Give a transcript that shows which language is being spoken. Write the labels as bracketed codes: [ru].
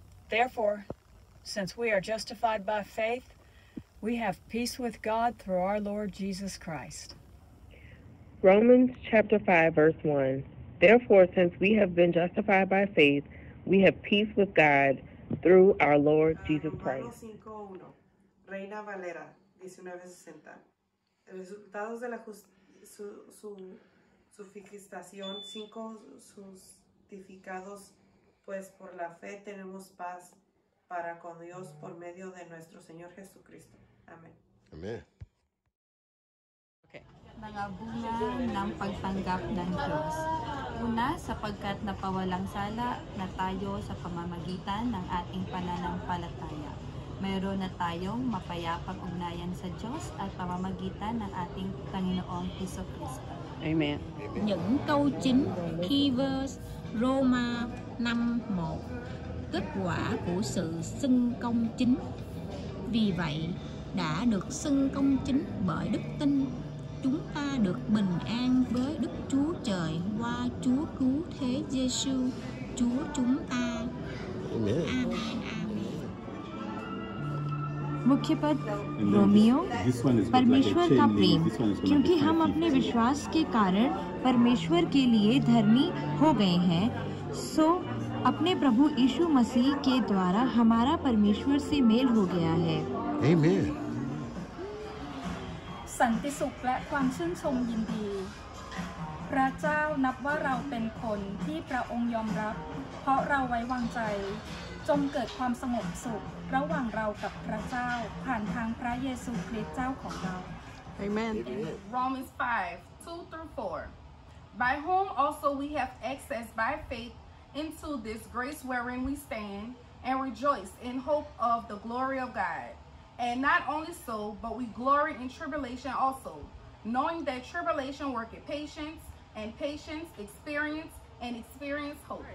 [en] Therefore, since we are justified by faith, we have peace with God through our Lord Jesus Christ. Romans chapter 5, verse 1. Therefore, since we have been justified by faith, we have peace with God through our Lord Jesus Christ. [es] Reina Valera, 1960. El resultado de la justificación, 5 justificados, pues por la fe tenemos paz para con Dios por medio de nuestro Señor Jesucristo. Amén. Amén. [en] Okay. [tl] Mga bunga ng pagtanggap ng Diyos. Una, sapagkat napawalang sala na tayo sa pamamagitan ng ating pananampalataya. Mayroon na tayong mapayapang ugnayan sa Diyos at pamamagitan ng ating Panginoong Hesukristo. Amen. [vi] Những câu chính, [en] key verse, [vi] Roma 5:1. Kết quả của sự xưng công chính. Vì vậy, đã được xưng công chính bởi đức tin, chúng ta được bình an với Đức Chúa Trời qua Chúa cứu thế Giêsu, Chúa chúng ta. Amen. [hi] मुख्य पद Romeo परमेश्वर का प्रेम क्योंकि हम अपने विश्वास के कारण परमेश्वर के लिए धर्मी हो गए हैं सो अपने प्रभु यीशु मसीह के द्वारा हमारा परमेश्वर से मेल हो गया है आमेन शांति सुख [th] และความชื่นชมยินดีพระเจ้านับว่าเราเป็นคนที่พระองค์ยอมรับเพราะเราไว้วางใจจงเกิดความสงบสุขระหว่างเรากับพระเจ้าผ่านทางพระเยซูคริสต์เจ้าของเรา Amen. [en] Romans 5:2-4. By whom also we have access by faith into this grace wherein we stand and rejoice in hope of the glory of God. And not only so, but we glory in tribulation also, knowing that tribulation worketh patience, and patience experience, and experience hope.